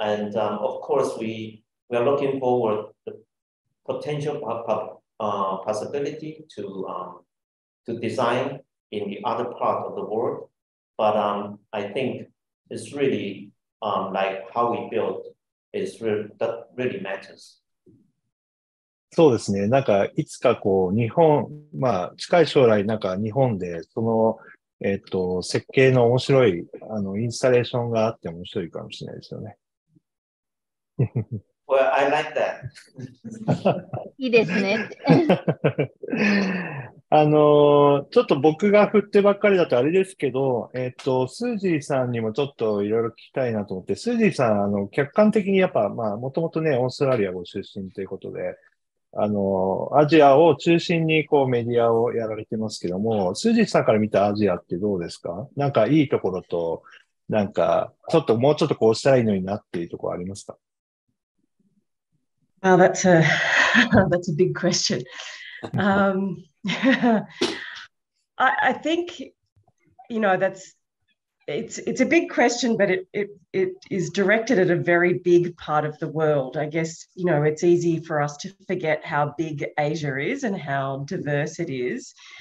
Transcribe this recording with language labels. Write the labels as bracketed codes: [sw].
[en] And of course, we are looking forward to the potential possibility to design in the other part of the world. But I think it's really like how we build is really, that really matters. [ja] そうですね。なんかいつかこう日本、まあ近い将来なんか日本でその設計の面白いインスタレーションがあって面白いかもしれないですよね。 [en] Well, I like that. [ja] いいですね。ちょっと僕が振ってばっかりだとあれですけど、スージーさんにもちょっといろいろ聞きたいなと思って、スージーさん客観的にやっぱまあもともとねオーストラリアご出身ということで。アジアを中心にこうメディアをやられてますけども、スージーさんから見たアジアってどうですか？なんかいいところと、なんかちょっともうちょっとこうしたらいいのになっていうところありますか？ [en] Well, that's a big question. I think, you know, it's a big question, but it is directed at a very big part of the world. I guess, you know, it's easy for us to forget how big Asia is and how diverse it is.